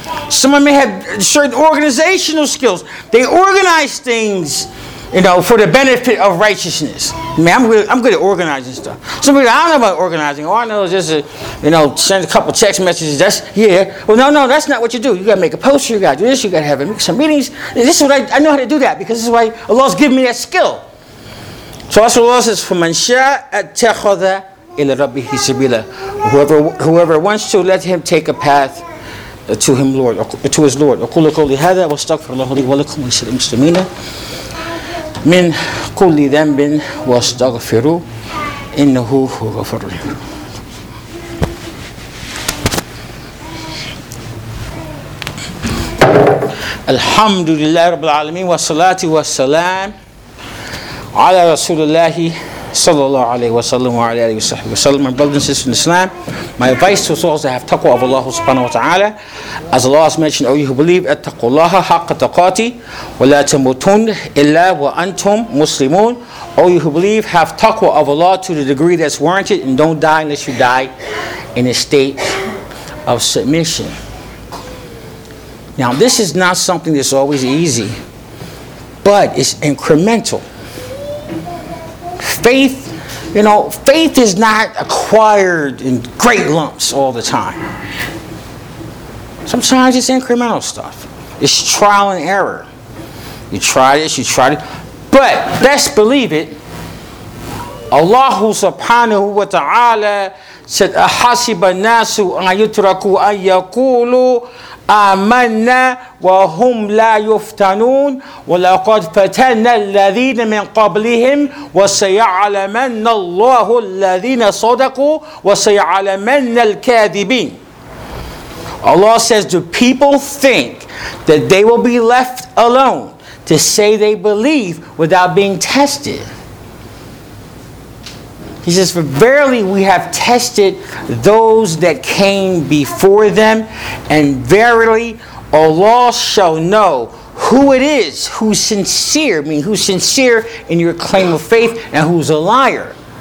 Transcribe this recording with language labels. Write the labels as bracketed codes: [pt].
[en] Someone may have certain organizational skills. They organize things, you know, for the benefit of righteousness. I mean, I'm good at organizing stuff. Somebody, I don't know about organizing. All I know is just, you know, send a couple text messages. That's, yeah. Well, no, that's not what you do. You got to make a poster. You got to do this. You got to have some meetings. And this is what I know how to do that, because this is why Allah's given me that skill. So that's what Allah says, [ar] فَمَنْ شَاءَ اتَّخَذَ إِلَى رَبِّهِ سَبِيلًا. [en] Whoever wants to, let him take a path to him, Lord, to his Lord. [ar] أَقُولُ قَوْلِ هَذَا وَاسْتَغْفِرُ اللَّهُ لِي وَلَكُمْ وَلِسَلِ الْمُسْلِمِينَ من كل ذنب واستغفروا إنه هو غفور رحيم. الحمد لله رب العالمين والصلاة والسلام على رسول الله صلى الله عليه وسلم وعلى آله وصحبه وسلم. [en] My brothers and sisters in Islam, my advice to souls that have taqwa of Allah subhanahu wa ta'ala. As Allah has mentioned, O you who believe, [ar] اتقوا الله حق تقاتي ولا تموتون إلا وأنتم مسلمون. [en] O you who believe, have taqwa of Allah to the degree that's warranted, and don't die unless you die in a state of submission. Now, this is not something that's always easy, but it's incremental. Faith, you know, faith is not acquired in great lumps all the time. Sometimes it's incremental stuff. It's trial and error. You try this, you try it. But best believe it, Allah subhanahu wa ta'ala said, [ar] أَحَسِبَ النَّاسُ أَن يُتْرَكُوا أَن يَقُولُوا آمَنَّا وَهُمْ لَا يُفْتَنُونَ وَلَقَدْ فَتَنَّ الَّذِينَ مِنْ قَبْلِهِمْ وَسَيَعْلَمَنَّ اللَّهُ الَّذِينَ صَدَقُوا وَسَيَعْلَمَنَّ الْكَاذِبِينَ. [en] Allah says, do people think that they will be left alone to say they believe without being tested? He says, for verily we have tested those that came before them, and verily Allah shall know who it is who's sincere, meaning who's sincere in your claim of faith, and who's a liar.